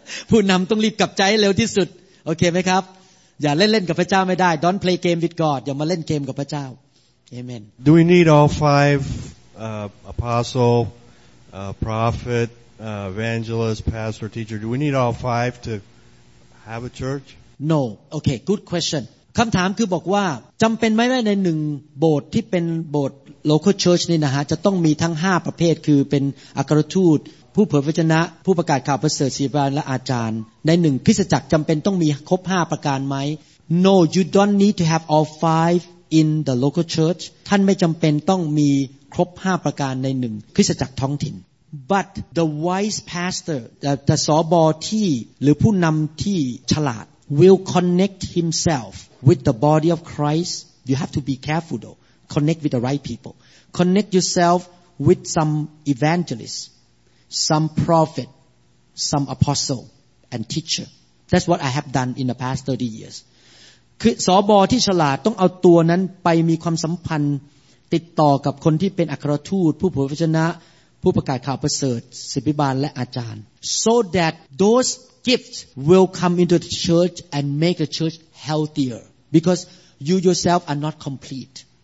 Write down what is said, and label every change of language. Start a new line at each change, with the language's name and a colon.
Thai: ผู้นำต้องรีบกลับใจเร็วที่สุดโอเคไหมครับอย่าเล่นๆกับพระเจ้าไม่ได้
English: Don't play game with God
Thai: อย่ามาเล่นเกมกับพระเจ้า Amen
English: Do we need all five apostle prophet evangelist pastor teacher Do we need all five to have a church No okay good question
Thai: คำถามคือบอกว่าจำเป็นไหมว่าในหนึ่งโบสถ์ที่เป็นโบสถ์ local church นี่นะฮะจะต้องมีทั้ง5ประเภทคือเป็นอัครทูตผู้เผยพระวจนะผู้ประกาศข่าวประเสริฐศิบาลและอาจารย์ในหนึ่งคริสตจักรจำเป็นต้องมีครบ5ประการไหม
English: No you don't need to have all 5 in the local church
Thai: ท่านไม่จำเป็นต้องมีครบ5ประการในหนึ่งคริสตจักรท้องถิ่น
English: But the wise pastor the
Thai: สบอที่หรือผู้นำที่ฉลาด
English: will connect himself with the body of Christ you have to be careful though connect with the right people connect yourself with some evangelistsome prophet, some apostle, and teacher. That's what I have done in the past 30 years.
Thai: คือสบอที่ฉลาดต้องเอาตัวนั้นไปมีความสัมพันธ์ติดต่อกับคนที่เป็นอัครทูตผู้เผยพระวจนะผู้ประกาศข่าวประเสริฐศิบิบาลและอาจารย์
English: so that those gifts will come into the church and make the church healthier because you yourself are not complete.